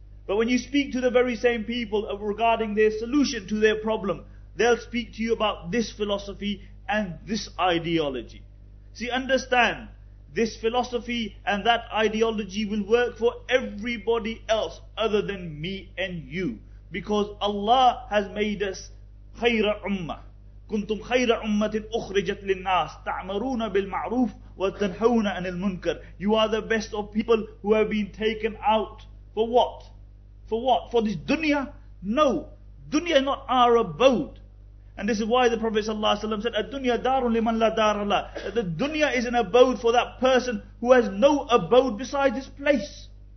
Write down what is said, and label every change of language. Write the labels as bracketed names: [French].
[English] But when you speak to the very same people regarding their solution to their problem, they'll speak to you about this philosophy and this ideology. See, understand, this philosophy and that ideology will work for everybody else other than me and you. Because Allah has made us khayra ummah. [Arabic] كنتم خير أمة أخرجت للناس تعمرون بالمعروف وتنهون عن المنكر. [English] You are the best of people who have been taken out. For what? For what? For this dunya? No. Dunya is not our abode. And this is why the Prophet ﷺ said, [Arabic] الدنيا دار لمن لا دار له. [English] That the dunya is an abode for that person who has no abode beside this place.